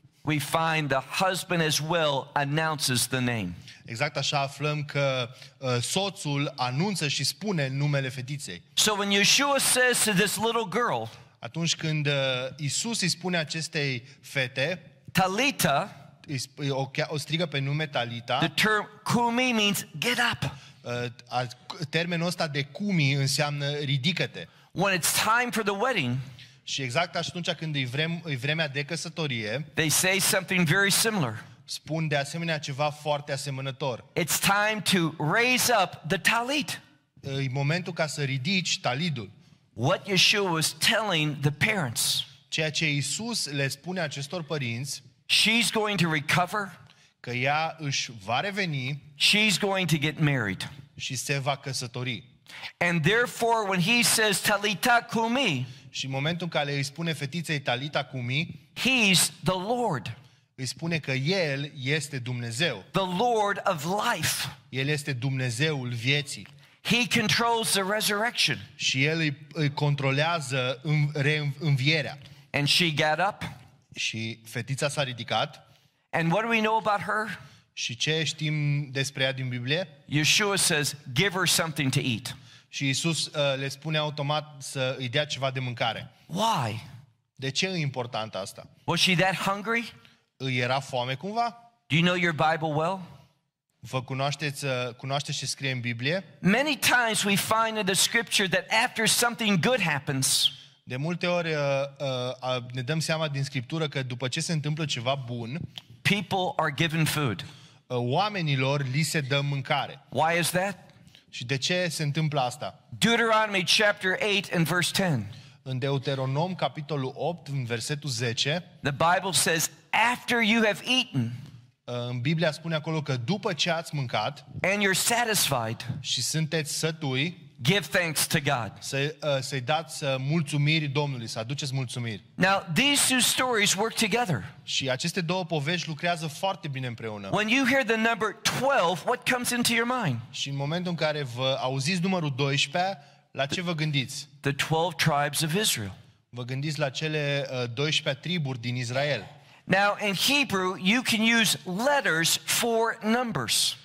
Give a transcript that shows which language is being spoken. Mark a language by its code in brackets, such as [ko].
[en] We find the husband as well announces the name. [ro] Exact așa aflăm că soțul anunță și spune numele fetiței. [en] So when Yeshua says to this little girl, [ro] atunci când Isus îi spune acestei fete, [en] Talita, [ro] o strigă pe nume Talita. [en] The term kumi means get up. [ro] Termenul ăsta de kumi înseamnă ridică-te. [en] When it's time for the wedding, [ro] și exact atunci când e vremea de căsătorie, [en] they say something very similar. [ro] Spun de asemenea ceva foarte asemănător. [en] It's time to raise up the talit. [ro] E momentul ca să ridici talidul. [en] What Yeshua was telling the parents, [ro] ceea ce Iisus le spune acestor părinți, [en] she's going to recover, [ro] că ea își va reveni, [en] she's going to get married, [ro] și se va căsători. [en] And therefore when he says talita kumi, [ro] și în momentul în care îi spune fetiței talita kumi, [en] he's the Lord. [ro] Îi spune că el este Dumnezeu. [en] The Lord of life. [ro] El este Dumnezeul vieții. [en] He controls the resurrection. [ro] Și el îi controlează reînvierea. [en] And she got up. [ro] Și fetița s-a ridicat. [en] And what do we know about her? [ro] Și ce știm despre ea din Biblie? [en] Yeshua says, give her something to eat. [ro] Și Iisus le spune automat să îi dea ceva de mâncare. [en] Why? [ro] De ce e important asta? [en] Was she that hungry? [ro] Îi era foame cumva? [en] Do you know your Bible well? [ro] Vă cunoașteți, cunoașteți ce scrie în Biblie? [en] Many times we find in the scripture that after something good happens, [ro] de multe ori ne dăm seama din scriptură că după ce se întâmplă ceva bun, [en] people are given food. [ro] Oamenilor li se dă mâncare. [en] Why is that? [ro] Și de ce se întâmplă asta? [en] Deuteronomy chapter 8 and verse 10. [ro] În Deuteronom capitolul 8 în versetul 10. [en] The Bible says after you have eaten. [ro] În Biblia spune acolo că după ce ați mâncat [en] and you're satisfied, [ro] și sunteți sătui, [en] give thanks to God. [ro] Să-i dați mulțumiri Domnului, să aduceți mulțumiri. [en] Now these two stories work together. [ro] Și aceste două povești lucrează foarte bine împreună. [en] When you hear the number 12, what comes into your mind? [ro] Și în momentul în care vă auziți numărul 12, la ce vă gândiți? [en] The 12 tribes of Israel. [ro] Vă gândiți la cele 12 triburi din Israel. [en] Now in Hebrew you can use letters for numbers.